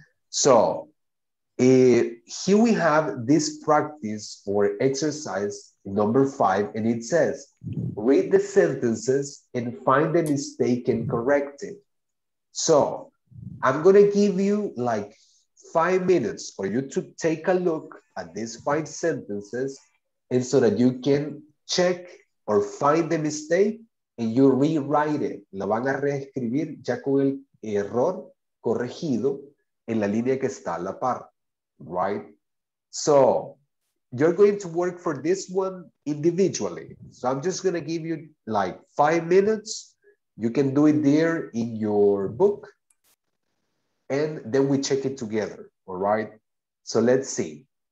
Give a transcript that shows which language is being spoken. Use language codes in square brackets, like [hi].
[en] So here we have this practice or exercise number five, and it says, read the sentences and find the mistake and correct it. So I'm gonna give you like 5 minutes for you to take a look at these five sentences, and so that you can check or find the mistake, and you rewrite it. [es] Lo van a reescribir ya con el error corregido en la línea que está a la par, right? [en] So you're going to work for this one individually. So I'm just gonna give you like 5 minutes. You can do it there in your book, and then we check it together, all right? So let's see.